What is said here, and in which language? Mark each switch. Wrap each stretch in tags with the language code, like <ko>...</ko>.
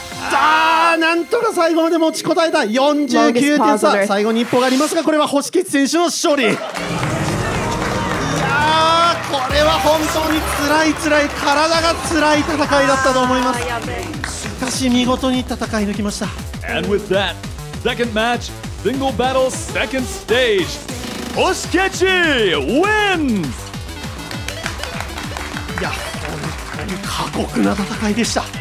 <ja>さあなんとか最後まで持ちこたえた。49点差、最後に一歩がありますが、これは星木選手の勝利。いやー、これは本当につらいつらい、体がつらい戦いだったと思います。しかし見事に戦い抜きました。</ja> <en>And with that, second match, single battle, second stage, 星木 wins!</en> <ja>いや、本当に過酷な戦いでした。</ja>